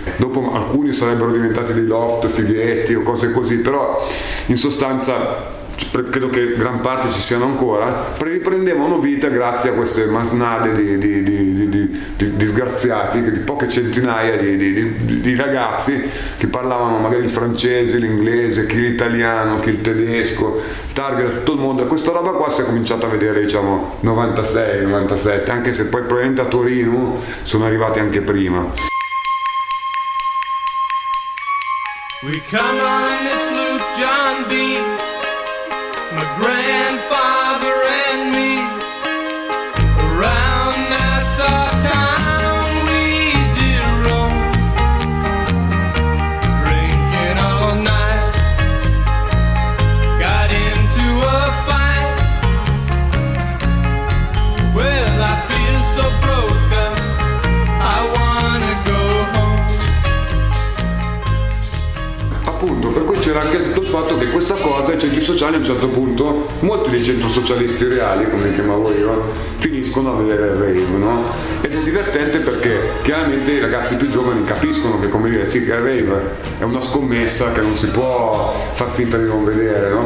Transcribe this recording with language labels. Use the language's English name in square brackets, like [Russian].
[Italian] Dopo alcuni sarebbero diventati dei loft fighetti o cose così, però in sostanza credo che gran parte ci siano ancora, riprendevano vita grazie a queste masnade di disgraziati, di poche centinaia di ragazzi che parlavano magari il francese, l'inglese, chi l'italiano, chi il tedesco, target da tutto il mondo. Questa roba qua si è cominciata a vedere, diciamo, 96-97, anche se poi probabilmente a Torino sono arrivati anche prima. [English] We come on this loop, John B. My grandfather and me. Around Nassau town we did roam, drinking all night. Got into a fight. Well, I feel so broken, I wanna go home. [Italian] Appunto, per cui c'era anche il fatto che questa cosa, i centri sociali, a un certo punto molti dei centri socialisti reali, come li chiamavo io, finiscono a vedere il rave, no? Ed è divertente perché chiaramente i ragazzi più giovani capiscono che, come dire, sì, che il rave è una scommessa che non si può far finta di non vedere, no?